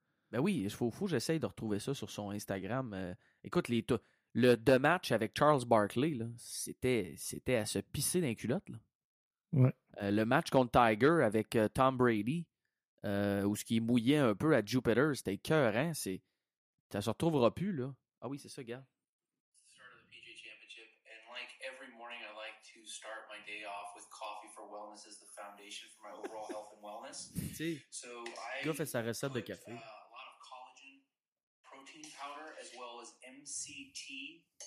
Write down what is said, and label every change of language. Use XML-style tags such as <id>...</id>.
<fr>Ben oui, il faut que j'essaye de retrouver ça sur son Instagram. Écoute, le deux matchs avec Charles Barkley, là, c'était à se pisser dans les culottes, là. Ouais. Le match contre Tiger avec Tom Brady, où ce qui est mouillé un peu à Jupiter, c'était écœurant. Ça ne se retrouvera plus, là. Ah oui, c'est ça, gars.</fr> <en>Start of the PGA Championship. And like every morning, I like to start my day off with coffee for wellness as the foundation for my overall health and wellness.</en> <fr>T'sais, so le gars fait sa recette de café.</fr> <en>A lot of collagen, protein powder, as well as MCT.</en>